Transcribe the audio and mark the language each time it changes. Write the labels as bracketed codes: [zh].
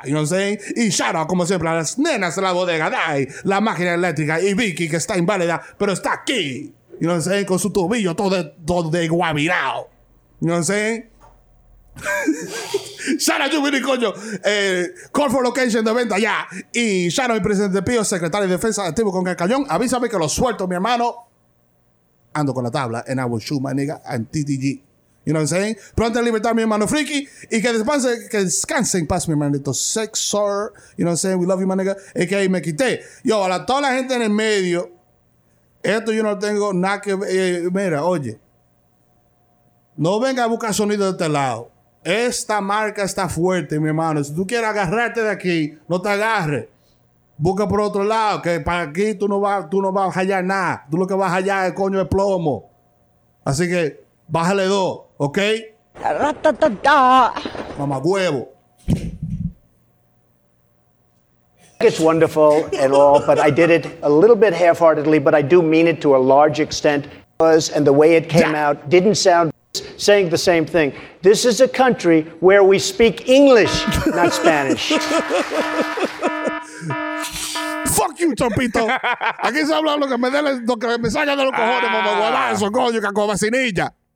[en] You know what I'm saying? [es] Y shout out, como siempre, a las nenas de la bodega, Dai, la máquina eléctrica, y Vicky, que está inválida, pero está aquí. You know what I'm saying? Con su tobillo todo de guavirao. [en] You know what I'm saying? Shout out to Jubilee, coño. Call for location [es] de venta ya. Y [en] shout out [es] mi presidente Pío, secretario de defensa activo con Cacallón. Avísame que lo suelto, mi hermano. Ando con la tabla. [en] And I will shoot my nigga and TTG. You know what I'm saying? [es] Pronto en libertad, mi hermano friki. Y que descanse en paz, mi hermanito. Sex, sir. [en] You know what I'm saying? We love you, my nigga. [es] Y que me quité. Yo, a toda la gente en el medio... Esto yo no tengo nada que ver. Mira, oye. No venga a buscar sonido de este lado. Esta marca está fuerte, mi hermano. Si tú quieres agarrarte de aquí, no te agarres. Busca por otro lado, que para aquí tú no vas a hallar nada. Tú lo que vas a hallar es coño de plomo. Así que bájale dos, ¿ok? Mamá huevo. [en] It's wonderful and all, but I did it a little bit half-heartedly, but I do mean it to a large extent. And the way it came out didn't sound saying the same thing. This is a country where we speak English, not Spanish. Fuck you, Trumpito. [es] Aquí se habla lo que me salga de los cojones, mamá guadazo, coño, caco vacinilla.